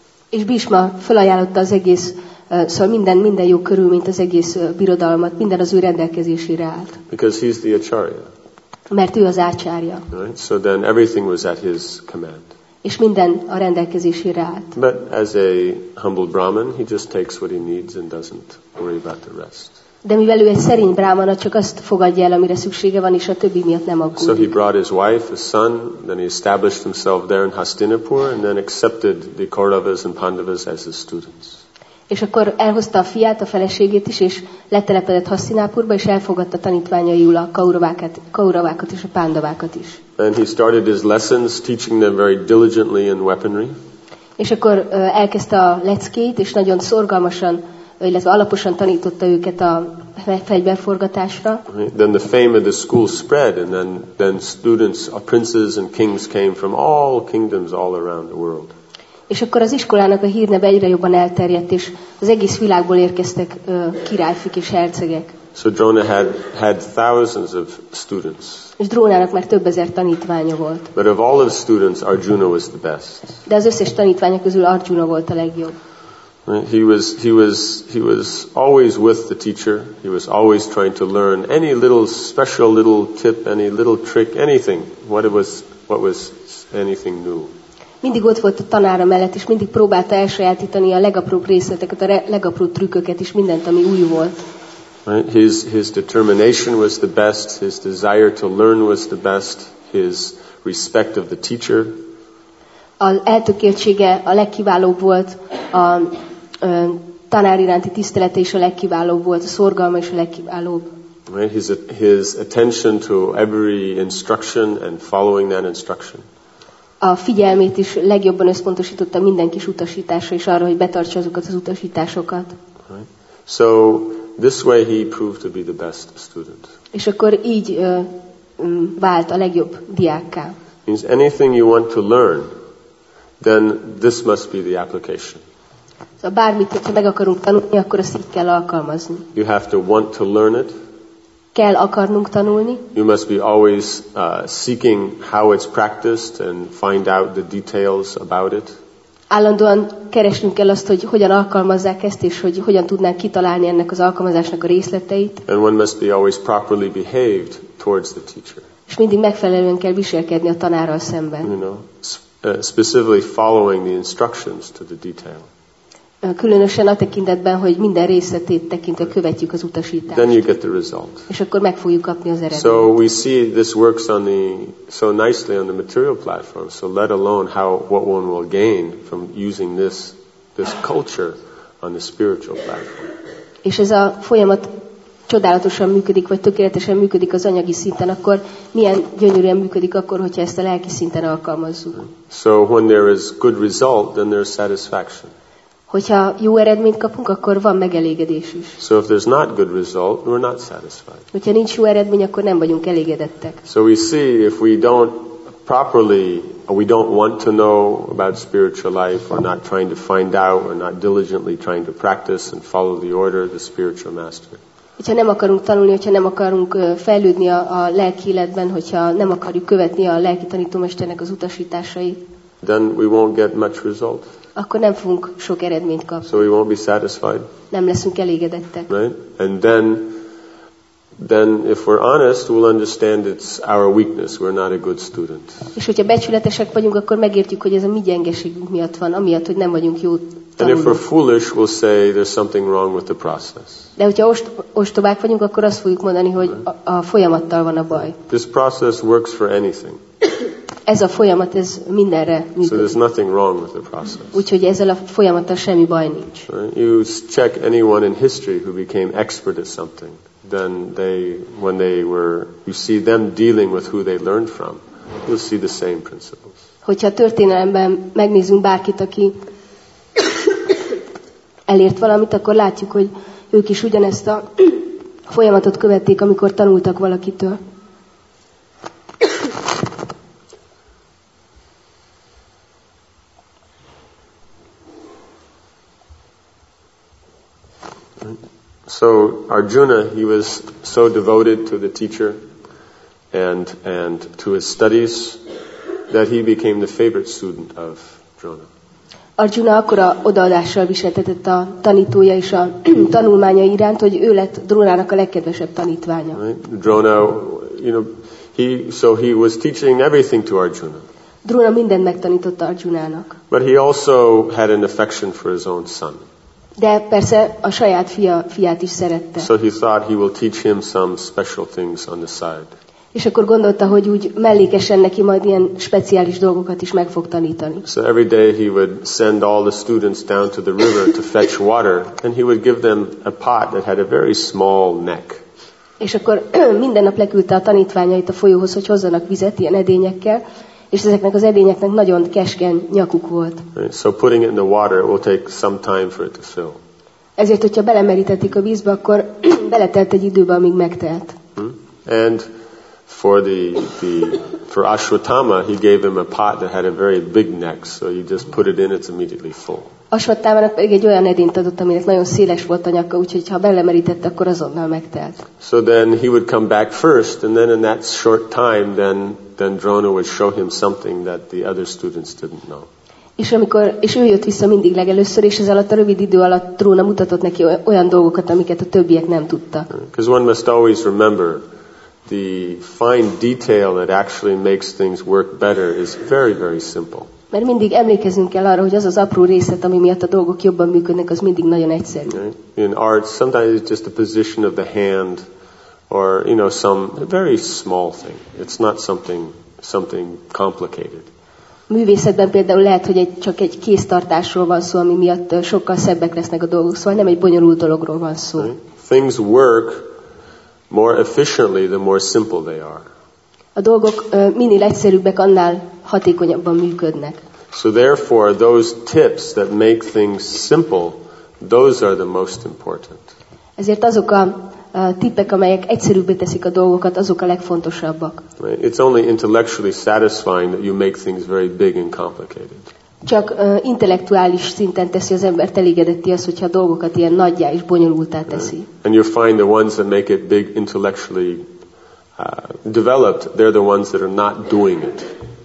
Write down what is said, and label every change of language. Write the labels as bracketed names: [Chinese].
[Hungarian] És Bhishma felajánlotta az egész, szóval minden jó körülményt, az egész birodalmat, minden az ő rendelkezésére állt. [English] Because he's the acharya. [Hungarian] Mert ő az ácsárja. [English] Right? So then everything was at his command. [Hungarian] És minden a rendelkezésére állt. [English] But as a humble Brahman, he just takes what he needs and doesn't worry about the rest. [Hungarian] De mivel ő egy szerény brámana, csak azt fogadja el, amire szüksége van, és a többi miatt nem aggódik. [English] So he brought his wife, his son, then he established himself there in Hastinapur, and then accepted the Kauravas and Pandavas as his students. [Hungarian] És akkor elhozta a fiát, a feleségét is, és letelepedett Hasztinápurba, és elfogadta tanítványaiul a Kauravákat és a Pandavákat is. [English] And he started his lessons, teaching them very diligently in weaponry. [Hungarian] És akkor elkezdte a leckét, és nagyon szorgalmasan, illetve alaposan tanította őket a fegyverforgatásra. [English] Then the fame of the school spread, and then students, princes and kings came from all kingdoms all around the world. [Hungarian] És akkor az iskolának a hírneve egyre jobban elterjedt, és az egész világból érkeztek királyfik és hercegek. [English] So Drona had thousands of students. [Hungarian] És Drónának már több ezer tanítványa volt. [English] But of all of the students, Arjuna was the best. [Hungarian] De az összes tanítványa közül Arjuna volt a legjobb. [English] He was always with the teacher. He was always trying to learn any little special little tip, any little trick, anything. What was anything new? [Hungarian] Mindig ott volt a tanára mellett, és mindig próbálta elsajátítani a legapróbb részleteket, a legapróbb trükköket is, mindent, ami új volt. [English] His determination was the best, his desire to learn was the best, his respect of the teacher. [Hungarian] Az eltökéltsége a legkiválóbb volt, a tanár iránti tisztelete is a legkiválóbb volt, a szorgalma is a legkiválóbb. [English] His attention to every instruction and following that instruction. [Hungarian] A figyelmét is legjobban összpontosította minden kis utasításra és arra, hogy betartsa azokat az utasításokat. [English] Right. So this way he proved to be the best student. [Hungarian] És akkor így vált a legjobb diákká. [English] Means anything you want to learn, then this must be the application. [Hungarian] Szóval bármit, ha meg akarunk tanulni, akkor azt így kell alkalmazni. [English] You have to want to learn it. [Hungarian] Kell akarnunk tanulni. [English] You must be always seeking how it's practiced and find out the details about it. [Hungarian] Állandóan keresnünk kell azt, hogy hogyan alkalmazzák ezt, és hogy hogyan tudnánk kitalálni ennek az alkalmazásnak a részleteit. [English] And one must be always properly behaved towards the teacher. [Hungarian] És mindig megfelelően kell viselkedni a tanárral szemben. [English] You know, specifically following the instructions to the detail. [Hungarian] Különösen a tekintetben, hogy minden részletét tekintve követjük az utasítást. [English] Then you get the result. [Hungarian] És akkor meg fogjuk kapni az eredményt. [English] So we see this works on the so nicely on the material platform. So let alone how what one will gain from using this culture on the spiritual platform. [Hungarian] És ez a folyamat csodálatosan működik, vagy tökéletesen működik az anyagi szinten, akkor milyen gyönyörűen működik akkor, hogyha ezt a lelki szinten alkalmazzuk. [English] So when there is good result, then there is satisfaction. [Hungarian] Hogyha jó eredményt kapunk, akkor van megelégedés is. [English] So if there's not good result, we're not satisfied. [Hungarian] Hogyha nincs jó eredmény, akkor nem vagyunk elégedettek. [English] So we see if we don't properly, we don't want to know about spiritual life, or not trying to find out, or not diligently trying to practice and follow the order of the spiritual master. [Hungarian] Hogyha nem akarunk tanulni, hogyha nem akarunk fejlődni a lelki életben, hogyha nem akarjuk követni a lelki tanítómesternek az utasításait. [English] Then we won't get much result. [Hungarian] Akkor nem fogunk sok eredményt kapni. [English] So we won't be satisfied. [Hungarian] Nem leszünk elégedettek. [English] Right? And then if we're honest, we'll understand it's our weakness. We're not a good student. [Hungarian] És hogyha becsületesek vagyunk, akkor megértjük, hogy ez a mi gyengeségünk miatt van, amiatt, hogy nem vagyunk jó tanulók. [English] And if we're foolish, we'll say there's something wrong with the process. [Hungarian] De hogyha ostobák vagyunk, akkor azt fogjuk mondani, hogy a folyamattal van a baj. [English] This process works for anything. [Hungarian] Ez a folyamat, ez mindenre működik. [English] So there's nothing wrong with the process. [Hungarian] Úgyhogy ezzel a folyamattal semmi baj nincs. [English] Right? You check anyone in history who became expert at something. Then they, when they were, you see them dealing with who they learned from. You'll see the same principles. [Hungarian] Hogyha történelemben megnézünk bárkit, aki elért valamit, akkor látjuk, hogy ők is ugyanezt a folyamatot követték, amikor tanultak valakitől. [English] So Arjuna, he was so devoted to the teacher and to his studies that he became the favorite student of Drona. [Hungarian] Arjuna akkora odaadással viseltetett a tanítója és a tanulmánya iránt, hogy ő lett Drónának a legkedvesebb tanítványa. [English] Right? Drona, you know, he was teaching everything to Arjuna. [Hungarian] Drona mindent megtanította Arjunának. [English] But he also had an affection for his own son. [Hungarian] De persze a saját fiát is szerette. [English] So he thought he will teach him some special things on the side. [Hungarian] És akkor gondolta, hogy úgy mellékesen neki majd ilyen speciális dolgokat is meg fog tanítani. [English] So every day he would send all the students down to the river to fetch water, and he would give them a pot that had a very small neck. [Hungarian] És akkor minden nap leküldte a tanítványait a folyóhoz, hogy hozzanak vizet ilyen edényekkel, és ezeknek az edényeknek nagyon keskeny nyakuk volt. [English] Right. So putting it in the water, it will take some time for it to fill. [Hungarian] Ezért, hogyha belemerítették a vízbe, akkor beletelt egy időbe, amíg megtelt. [English] And for for Ashwatthama, he gave him a pot that had a very big neck, so you just put it in, it's immediately full. [Hungarian] Ashwatthamának pedig egy olyan edényt adott, aminek nagyon széles volt a nyaka, úgyhogy ha belemerítette, akkor azonnal megtelt. [English] So then he would come back first, and then in that short time, then Drona would show him something that the other students didn't know. [Hungarian] És amikor és ő jött vissza mindig legelőször, és ez alatt a rövid idő alatt Drona mutatott neki olyan dolgokat, amiket a többiek nem tudtak. [English] Because one must always remember the fine detail that actually makes things work better is very, very simple. [Hungarian] Mert mindig emlékezünk kell arra, hogy az az apró részlet, ami miatt a dolgok jobban működnek, az mindig nagyon egyszerű. [English] Right? In art, sometimes it's just the position of the hand, or you know, some very small thing. It's not something complicated. [Hungarian] Művészetben például lehet, hogy csak egy kéztartásról van szó, ami miatt sokkal szebbek lesznek a dolgok, szóval nem egy bonyolult dologról van szó. [English] Right? Things work more efficiently the more simple they are. [Hungarian] A dolgok minél egyszerűbbek, annál hatékonyabban működnek. [English] So therefore, those tips that make things simple, those are the most important. [Hungarian] Ezért azok a tippek, amelyek egyszerűbbé teszik a dolgokat, azok a legfontosabbak. [English] Right. It's only intellectually satisfying that you make things very big and complicated. [Hungarian] Csak intellektuális szinten teszi az embert elégedetti az, hogyha a dolgokat ilyen nagyjá és bonyolultá teszi. [English] Right. And you find the ones that make it big intellectually developed, they're the ones that are not doing it.